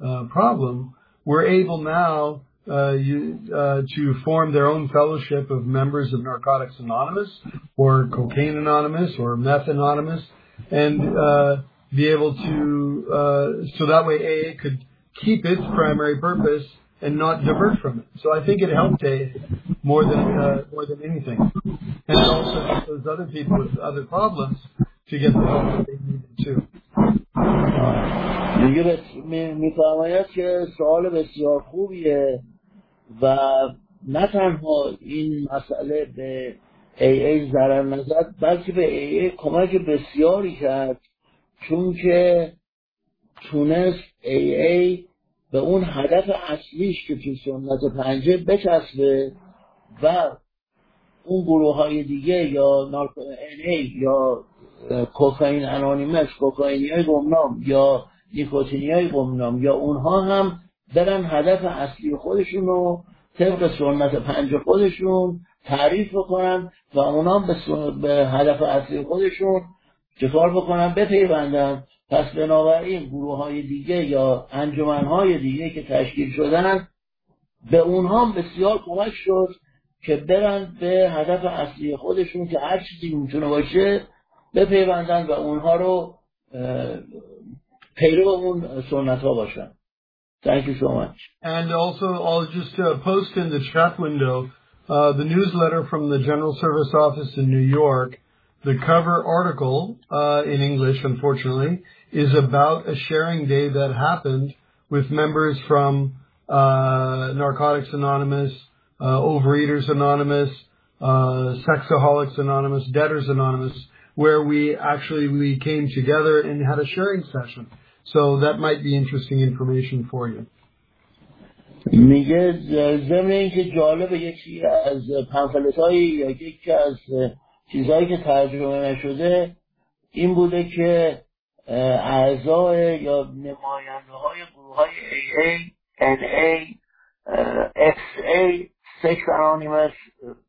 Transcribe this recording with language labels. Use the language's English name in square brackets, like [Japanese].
[English] problem, were able now to form their own fellowship of members of Narcotics Anonymous or Cocaine Anonymous or Meth Anonymous, and be able to, so that way AA could keep its primary purpose and not divert from it. So I think it helped AA more than anything. And also those other people with other problems to get the help that they needed too. [Persian] دیگه می فرماید که سوال بسیار خوبیه و نه تنها این مسئله به AA ضرر نزد، بلکه به AA کمک بسیاری کرد، چون که تونست AA به اون هدف اصلیش که تو سنت پنجه بچسبه و اون گروه های دیگه یا NA یا کوکائین انانیمس، کوکائینی های گمنام یا نیکوتینی های گمنام یا اونها هم برن هدف اصلی خودشون رو طبق سنت پنج خودشون تعریف بکنن و اونها هم به هدف اصلی خودشون چکار بکنن بپیوندن. پس بنابراین گروه های دیگه یا انجمن های دیگه که تشکیل شدن به اونها هم بسیار کمک شد که برن به هدف اصلی خودشون که هر چیزی میتونه باشه بپیوندن و اونها رو [English] And also, I'll just post in the chat window the newsletter from the General Service Office in New York. The cover article in English, unfortunately, is about a sharing day that happened with members from Narcotics Anonymous, Overeaters Anonymous, Sexaholics Anonymous, Debtors Anonymous, where we came together and had a sharing session. So that might be interesting information for you. [Persian] میگه زمین اینکه جالبه یکی از پنفلت‌های یا یکی از چیزهایی که ترجمه نشده این بوده که اعضای یا نماینده‌های گروه‌های AA, NA, SA, Sex Anonymous